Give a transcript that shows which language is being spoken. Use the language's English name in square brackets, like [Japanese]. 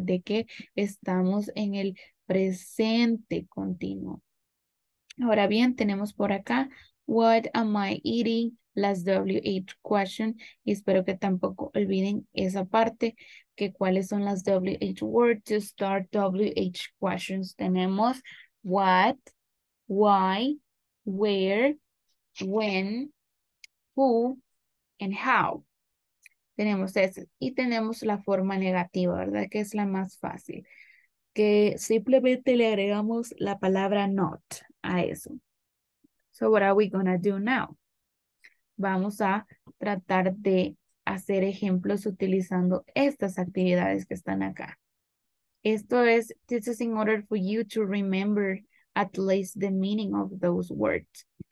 [Spanish] De que estamos en el presente continuo. Ahora bien, tenemos por acá, [English] what am I eating? [Spanish] Las WH question. Y espero que tampoco olviden esa parte, que cuáles son las [English] WH words to start WH questions. [Spanish] Tenemos what, why, where, when, who, and how. Tenemos ese. Y tenemos la forma negativa, ¿verdad? Que es la más fácil. Que simplemente le agregamos la palabra not a eso. [English] So what are we gonna do now? [Spanish] Vamos a tratar de hacer ejemplos utilizando estas actividades que están acá. [English] This is in order for you to remember at least the meaning of those words.